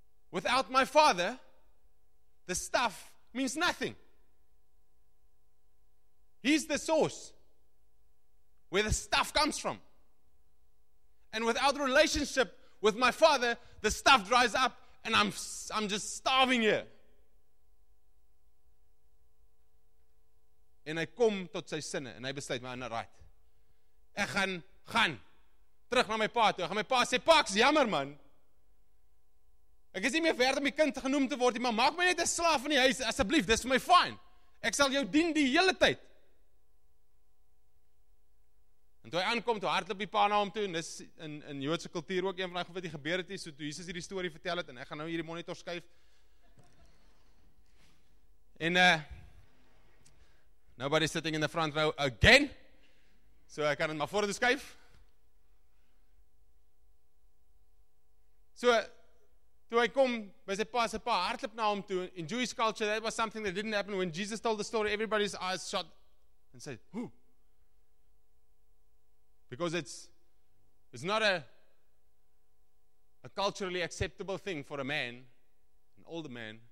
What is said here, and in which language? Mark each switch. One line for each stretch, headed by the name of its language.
English: Without my father, the stuff means nothing. He's the source where the stuff comes from. And without relationship with my father, the stuff dries up and I'm just starving here.
Afrikaans: En hy kom tot sy sinne en hy besluit, maar nou right. Ek gaan terug na my pa toe. Ek gaan my pa sê, pa, is jammer man. Ek is nie meer verder om die kind genoem te word, maar maak my net 'n slaaf in die huis, asseblief, dis vir my fyn. Ek sal jou dien die hele tyd. En toe hy aankom, toe hardloop die pa na hom toe, en dis in Joodse kultuur ook een van die goed wat hier gebeur het, so toe Jesus hierdie story vertel het, en ek gaan nou hierdie monitor skuif. En,
English: nobody's sitting in the front row again,
Afrikaans: so ek kan het maar voor toe skuif.
English: So,
Afrikaans: toe hy kom by sy pa hardloop na hom toe,
English: in Jewish culture, that was something that didn't happen. When Jesus told the story, everybody's eyes shot and said, who? Because it's not a culturally acceptable thing for a man, an older man,